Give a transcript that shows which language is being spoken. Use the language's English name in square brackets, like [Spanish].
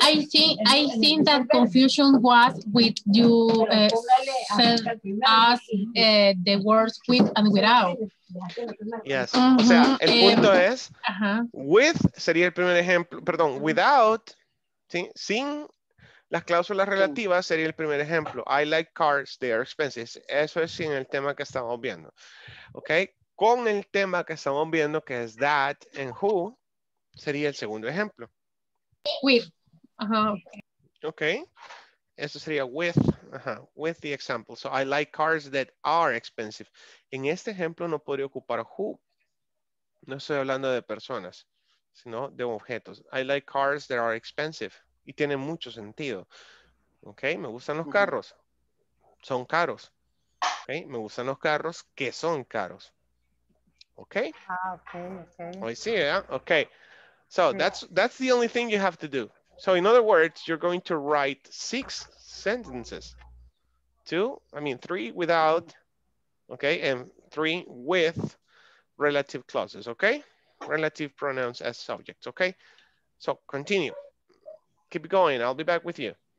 [English] I think that confusion was with you said as the words with and without. Yes. [Spanish] Uh-huh. O sea, el punto es uh-huh. with sería el primer ejemplo. Perdón, without, ¿sí? Sin. Las cláusulas relativas sería el primer ejemplo. [English] I like cars, they are expensive. [Spanish] Eso es sin el tema que estamos viendo. ¿Ok? Con el tema que estamos viendo, que es that and who, sería el segundo ejemplo. [English] With. [Spanish] Ok. Eso sería with. Uh-huh. [English] With the example. So, I like cars that are expensive. [Spanish] En este ejemplo no podría ocupar who. No estoy hablando de personas, sino de objetos. [English] I like cars that are expensive. [Spanish] Y tiene mucho sentido. Ok, me gustan los carros. Son caros. Ok, me gustan los carros que son caros. [English] Ok. Ah, ok, ok. I see, yeah. Ok. So yeah. That's the only thing you have to do. So in other words, you're going to write 6 sentences. 3 without. Ok, and 3 with relative clauses. Ok, relative pronouns as subjects. Ok, so continue. Keep going. I'll be back with you.